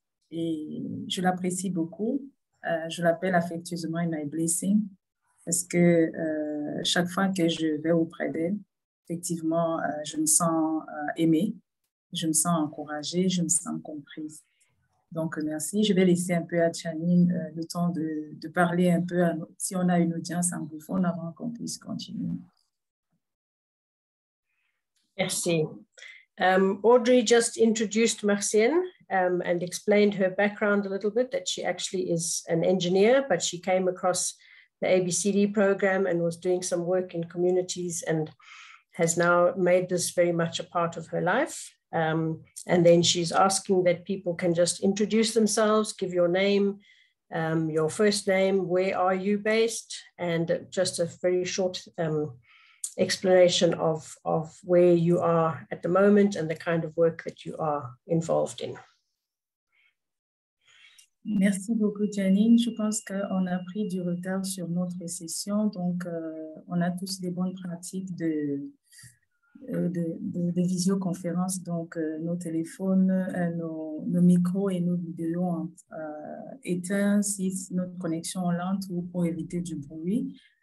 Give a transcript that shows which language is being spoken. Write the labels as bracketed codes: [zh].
[fr] Et je l'apprécie beaucoup. Je l'appelle affectueusement My Blessing parce que chaque fois que je vais auprès d'elle, effectivement, je me sens aimée, je me sens encouragée, je me sens comprise. Donc, merci. Je vais laisser un peu à Janine le temps de parler un peu si on a une audience anglophone avant qu'on puisse continuer. Merci. [en] Audrey just introduced Martienne and explained her background a little bit, that she actually is an engineer, but she came across the ABCD program and was doing some work in communities and has now made this very much a part of her life. And then she's asking that people can just introduce themselves, give your name, your first name, where are you based, and just a very short explanation of where you are at the moment and the kind of work that you are involved in. [fr] Merci beaucoup, Janine. Je pense qu'on a pris du retard sur notre session, donc on a tous des bonnes pratiques de visioconférence, donc nos téléphones, nos micros et nos vidéos éteints si notre connexion est lente ou pour éviter du bruit.